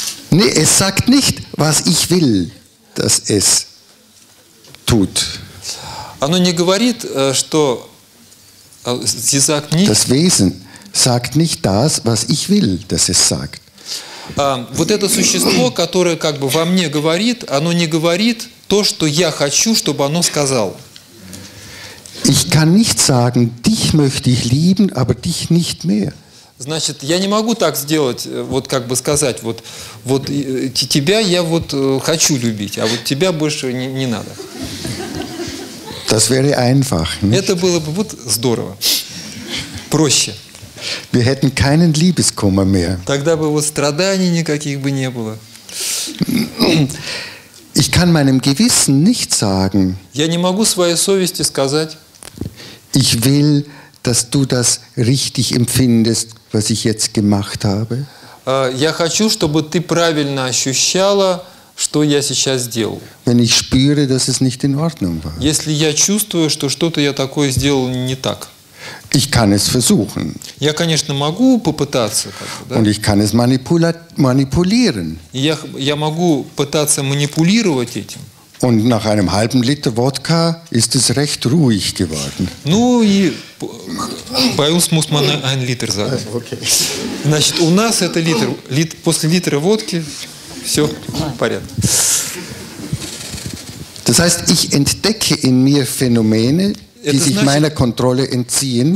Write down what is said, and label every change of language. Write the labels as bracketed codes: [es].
[de] Nee, es sagt nicht, was ich will, dass es tut. [ru] Оно не говорит, что [de] sie sagt nicht. Das Wesen sagt nicht das, was ich will, dass es sagt. [ru] Вот это существо, которое как бы во мне говорит, оно не говорит то, что я хочу, чтобы оно сказал. [de] Ich kann nicht sagen, dich möchte ich lieben, aber dich nicht mehr. [ru] Значит, я не могу так сделать, вот как бы сказать, вот, вот тебя я вот хочу любить, а вот тебя больше не, не надо. [de] Das wäre einfach, nicht? [ru] Это было бы вот здорово, проще. [de] Wir hätten keinen Liebeskummer mehr. [ru] Тогда бы вот страданий никаких бы не было. [de] Ich kann meinem Gewissen nicht sagen. [ru] Я не могу своей совести сказать. [de] Ich will, dass du das richtig empfindest, was ich jetzt gemacht habe. [ru] Я хочу, чтобы ты правильно ощущала, что я сейчас сделал. [de] Wenn ich spüre, dass es nicht in Ordnung war. [ru] Если я чувствую, что что-то я такое сделал не так. [de] Ich kann es versuchen. [ru] Я, конечно, могу попытаться. Да? [de] Und ich kann es manipulieren. [ru] Я могу пытаться манипулировать этим. [de] Und nach einem halben Liter Wodka ist es recht ruhig geworden. [ru] Ну и [de] bei uns muss man ein Liter sagen. Okay. [ru] Значит, у нас это литр. После литра водки все в порядке. [de] Das heißt, ich entdecke in mir Phänomene, die [ru] это [de] sich meiner Kontrolle entziehen.